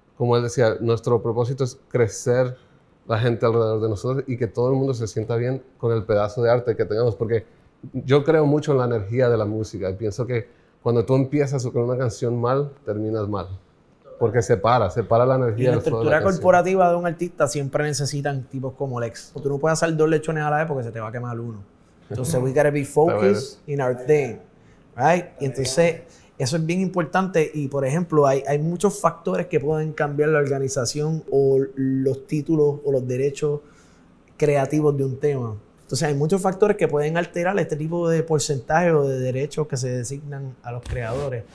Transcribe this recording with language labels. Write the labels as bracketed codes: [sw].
[es] Como él decía, nuestro propósito es crecer la gente alrededor de nosotros y que todo el mundo se sienta bien con el pedazo de arte que tengamos. Porque yo creo mucho en la energía de la música y pienso que cuando tú empiezas con una canción mal, terminas mal. Porque separa la energía. Y la estructura corporativa de un artista siempre necesitan tipos como Lex. Tú no puedes hacer dos lechones a la vez porque se te va a quemar uno. [en] Entonces, we gotta be focused in our thing, right? [es] Y entonces, eso es bien importante. Y, por ejemplo, hay muchos factores que pueden cambiar la organización o los títulos o los derechos creativos de un tema. Entonces, hay muchos factores que pueden alterar este tipo de porcentaje o de derechos que se designan a los creadores.